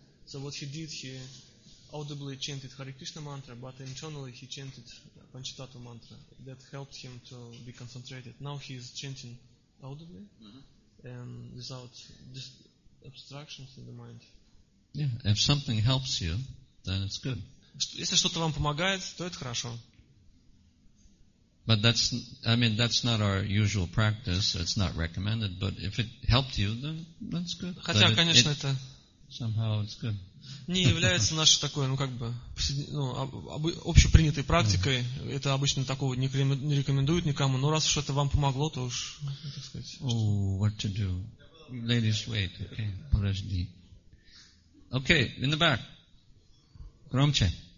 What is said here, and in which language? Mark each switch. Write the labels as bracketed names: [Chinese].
[English] So what he did, he audibly chanted Hare Krishna mantra, but internally he chanted Panchatattva mantra. That helped him to be concentrated. Now he is chanting audibly and without obstructions in the mind. Yeah, if something helps you, then it's good. [Russian] Если что-то вам помогает, то это хорошо. [English] But that's not our usual practice, so it's not recommended, but if it helped you, then that's good. [Russian] Хотя, [English] but [Russian] конечно, [English] it, somehow it's good. [Russian] Не является нашей такой, ну как бы, ну, общепринятой практикой. [English] Yeah. [Russian] Это обычно такого не рекомендуют никому, но раз уж это вам помогло, то уж, так сказать. [English] Oh, what to do? Ladies, wait, okay. [Russian] Подожди. [English] Okay, in the back. [Russian] Громче.